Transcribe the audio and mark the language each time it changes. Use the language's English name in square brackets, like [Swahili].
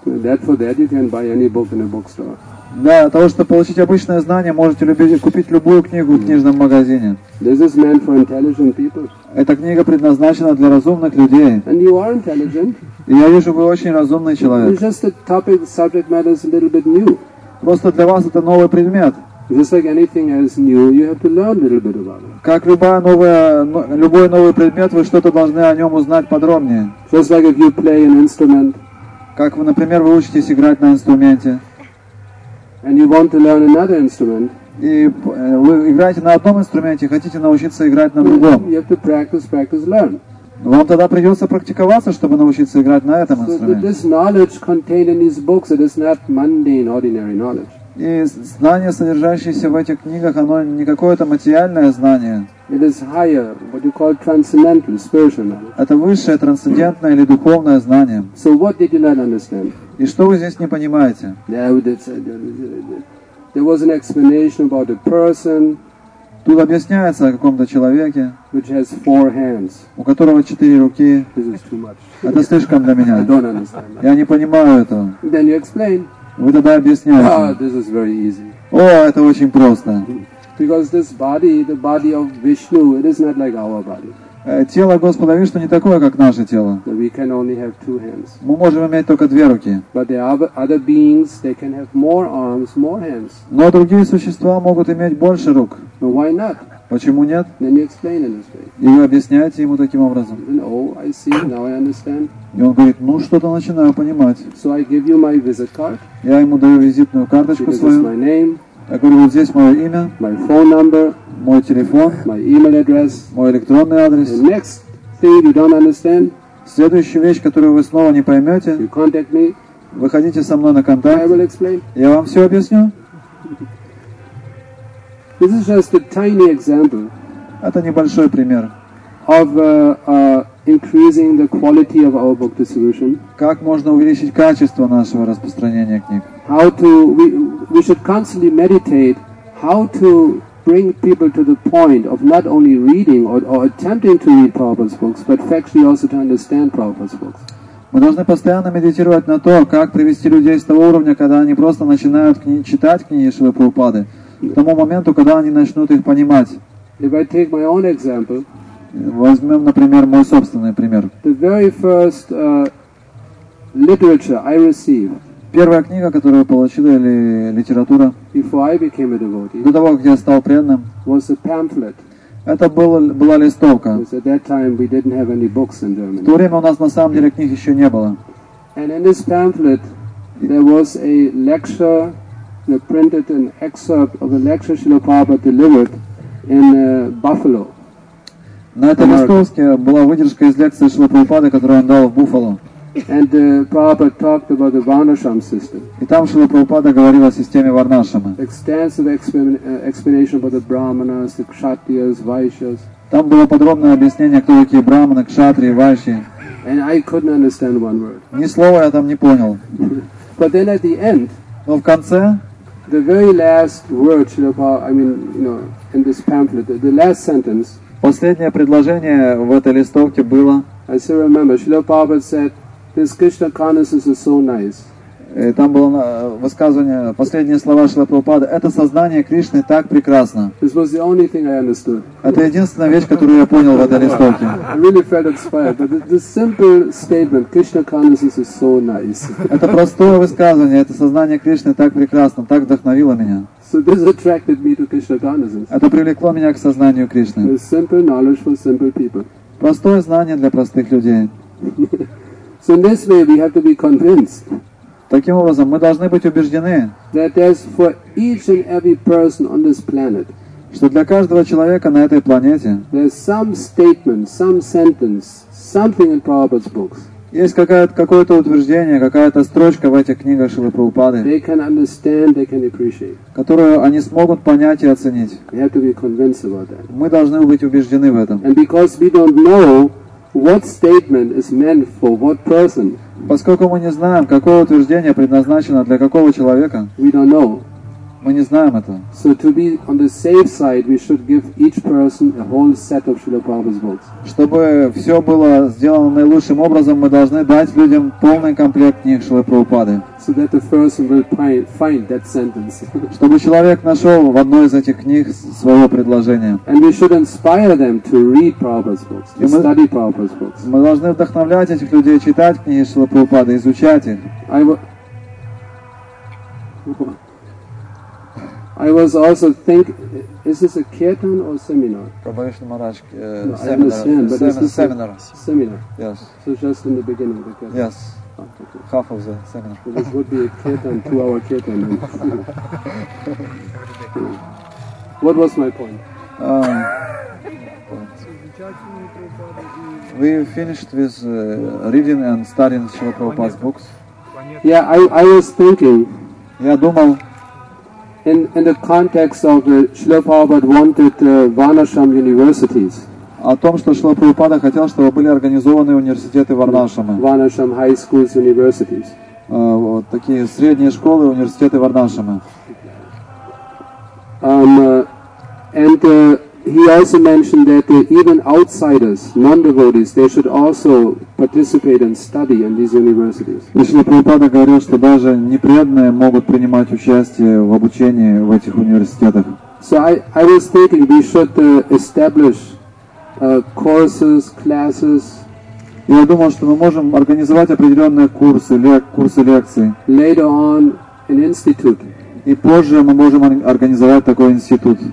[English] That for that you can buy any book in a bookstore. [Russian] Для того, чтобы получить обычное знание, можете купить любую книгу в книжном магазине. [English] This is meant for intelligent people. [Russian] Эта книга предназначена для разумных людей. [English] And you are intelligent. [Russian] И я вижу, вы очень разумный человек. [English] It's just the topic, subject matter is a little bit new. [Russian] Просто для вас это новый предмет. [English] Just like anything else new, you have to learn a little bit about it. [Russian] Как любой новый предмет, вы что-то должны о нем узнать подробнее. [English] Just like if you play an instrument. [Russian] Как, например, вы учитесь играть на инструменте. [English] And you want to learn another instrument. [Russian] И вы играете на одном инструменте, хотите научиться играть на другом. [English] You have to practice, practice, learn. [Russian] Вам тогда придется практиковаться, чтобы научиться играть на этом инструменте. [English] So this knowledge contained in these books, it is not mundane, ordinary knowledge. [Russian] И знание, содержащееся в этих книгах, оно не какое-то материальное знание. [English] It is higher, what you call transcendental, spiritual knowledge. [Russian] Это высшее, трансцендентное или духовное знание. [English] So what did you not understand? [Russian] И что вы здесь не понимаете? [English] There was an explanation about a person. [Russian] Тут объясняется о каком-то человеке, [English] which has four hands. [Russian] У которого четыре руки. [English] This is too much. [Russian] Это слишком для меня. [English] I don't understand. [Russian] Я не понимаю этого. [English] Then you explain. [Russian] Вы тогда объясняете. [English] Oh, this is very easy. [Russian] О, это очень просто. [English] Because this body, the body of Vishnu, it is not like our body. [Russian] Тело Господа Вишну не такое, как наше тело. [English] We can only have two hands. [Russian] Мы можем иметь только две руки. [English] But there are other beings, they can have more arms, more hands. [Russian] Но другие существа могут иметь больше рук. [English] So why not? [Russian] Почему нет? [English] Then you explain in this way. [Russian] И вы объясняете ему таким образом. [English] Oh, I see. Now I understand. [Russian] И он говорит, ну что-то начинаю понимать. [English] So I give you my visit card. [Russian] Я ему даю визитную карточку [English] because [Russian] свою. [English] My name, [Russian] я говорю, вот здесь мое имя, [English] my phone number, [Russian] мой телефон, [English] my email address, [Russian] мой электронный адрес. [English] And next thing you don't understand, [Russian] следующая вещь, которую вы снова не поймете, [English] you contact me, [Russian] выходите со мной на контакт, [English] I will explain. [Russian] Я вам все объясню. [English] This is just a tiny example. [Russian] Это небольшой пример. [English] Of increasing the quality of our book distribution. [Russian] Как можно увеличить качество нашего распространения книг? [English] How to we should constantly meditate how to bring people to the point of not only reading or attempting to read Prabhupada's books, but actually also to understand Prabhupada's books. [Russian] Мы должны постоянно медитировать на то, как привести людей с того уровня, когда они просто начинают читать книги Шрилы Прабхупады, к тому моменту, когда они начнут их понимать. [English] If I take my own example, [Russian] возьмем, например, мой собственный пример. [English] The very first literature I received, [Russian] первая книга, которую я получил, или литература, [English] before I became a devotee, [Russian] до того, как я стал преданным, [English] was a pamphlet. [Russian] Это была листовка. [English] Because at that time we didn't have any books in Germany. [Russian] В то время у нас на самом деле книг еще не было. [English] And in this pamphlet there was a lecture, printed an excerpt of a lecture Srila Prabhupada delivered in Buffalo. [Russian] На этой листовке была выдержка из лекции Шрилы Прабхупады, которую он дал в Буффало. [English] And Prabhupada talked about the Varnashram system. [Russian] И там Шрила Прабхупада говорил о системе Варнашрама. [English] Extensive explanation about the Brahmanas, the Kshatriyas, Vaishyas. [Russian] Там было подробное объяснение, кто такие Брахманы, Кшатрии, Вайши. [English] And I couldn't understand one word. [Russian] Ни слова я там не понял. [English] But then at the end, [Russian] но в конце, [English] the very last word, Shrila Prabhupada, in this pamphlet, the last sentence, [Russian] последнее предложение в этой листовке было. [English] I still remember. Shrila Prabhupada said, "This Krishna consciousness is so nice." [Russian] И там было высказывание, последние слова Шрилы Прабхупады. Это сознание Кришны так прекрасно. [English] This was the only thing I understood. [Russian] Это единственная вещь, которую я понял в этой листовке. [English] I really felt inspired. But the simple statement, "Krishna consciousness is so nice." [Russian] Это простое высказывание. Это сознание Кришны так прекрасно, так вдохновило меня. [English] So this attracted me to Krishna consciousness. [Russian] Это привлекло меня к сознанию Кришны. [English] It's simple knowledge for simple people. [Russian] Простое знание для простых людей. [English] So in this way we have to be convinced. [Russian] Таким образом, мы должны быть убеждены, [English] that as for each and every person on this planet, [Russian] что для каждого человека на этой планете, [English] there's some statement, some sentence, something in Prabhupada's books. [Russian] Есть какое-то утверждение, какая-то строчка в этих книгах Шрилы Прабхупады, [English] they can understand, they can appreciate, [Russian] которую они смогут понять и оценить. [English] We have to be convinced about that. [Russian] Мы должны быть убеждены в этом. [English] And because we don't know what statement is meant for what person, [Russian] поскольку мы не знаем, какое утверждение предназначено для какого человека, [English] we don't know. [Russian] Мы не знаем это. [English] So to be on the safe side, we should give each person a whole set of Srila Prabhupada's books. [Russian] Чтобы все было сделано наилучшим образом, мы должны дать людям полный комплект книг Шрилы Прабхупады. [English] So that the person will find that sentence. [Russian] Чтобы человек нашел в одной из этих книг свое предложение. [English] And we should inspire them to read Prabhupada's books, to study Prabhupada's books. [Russian] Мы должны вдохновлять этих людей читать книги Шрилы Прабхупады, изучать их. [English] I was also thinking, is this a kirtan or seminar? Prabhupada Maharaj, no, seminar. I understand, but this is seminar. Seminar. Yes. So just in the beginning, the kirtan. Yes. Half of the seminar. So this would be a kirtan, 2-hour kirtan. What was my point? We finished with reading and studying Srila Prabhupada's books. Yeah, I was thinking. [Russian] Я думал. [English] In the context of Srila Prabhupada wanted Varnashram universities. [Russian] О том, что Шрила Прабхупада хотел, чтобы были организованы университеты Варнашрамы. [English] Varnashram high schools, universities. [Russian] Вот такие средние школы, университеты Варнашрамы. [English] And he also mentioned that even outsiders, non-devotees, they should also participate and study in these universities. [Russian] Если Прабхупада говорил, что даже неприятные могут принимать участие в обучении в этих университетах. [English] So I was thinking we should establish courses, classes. [Russian] Я думал, что мы можем организовать определенные курсы, курсы лекций. [English] Later on, an institute. [Russian] И позже мы можем организовать такой институт,